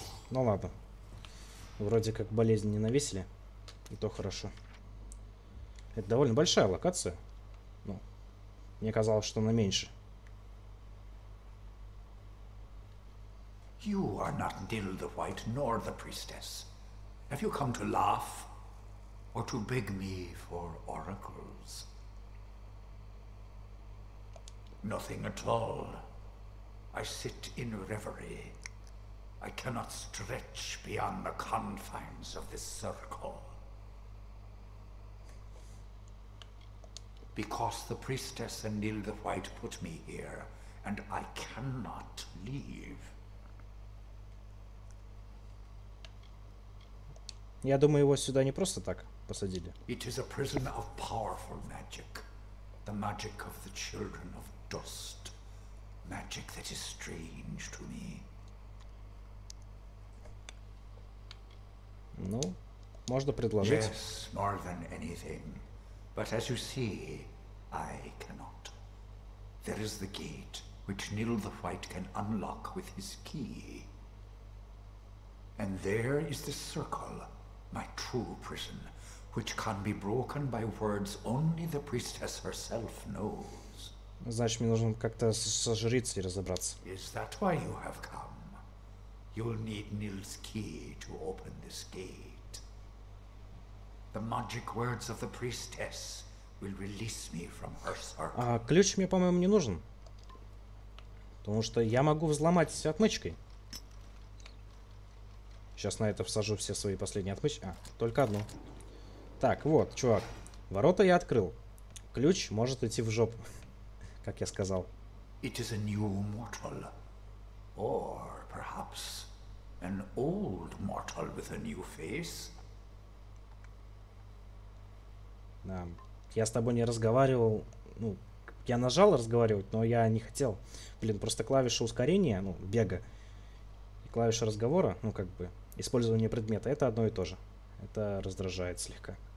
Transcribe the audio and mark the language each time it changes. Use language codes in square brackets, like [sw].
[ru] Ну ладно. Вроде как болезни не навесили. И то хорошо. Это довольно большая локация. Ну, мне казалось, что она меньше. [en] You are not Nil the White, nor the Priestess. Have you come to laugh? Or to beg me for oracles? Nothing at all. I sit in reverie. I cannot stretch beyond the confines of this circle. Because the priestess and Nil the White put me here, and I cannot leave. [ru] Я думаю, его сюда не просто так посадили. [en] It is a prison of powerful magic. The magic of the children of dust. Magic that is strange to me. [ru] Ну, можно предложить. [en] Yes, more than anything. But as you see, I cannot. There is the gate, which Nil the White can unlock with his key. And there is the circle, my true prison, which can be broken by words only the priestess herself knows. [ru] Значит, мне нужно как-то со жрицей разобраться. [en] Is that why you have come? You'll need Nil's key to open this gate. The magic words of the priestess will release me from her circle. [ru] А ключ мне, по-моему, не нужен. Потому что я могу взломать отмычкой. Сейчас на это всажу все свои последние отмычки. А, только одну. Так, вот, чувак. Ворота я открыл. Ключ может идти в жопу, как я сказал. [en] It is a new mortal. Or perhaps an old mortal with a new face. [ru] Да. Я с тобой не разговаривал. Ну, я нажал разговаривать, но я не хотел. Блин, просто клавиша ускорения, ну, бега. И клавиша разговора, ну, как бы, использование предмета, это одно и то же. Это раздражает слегка.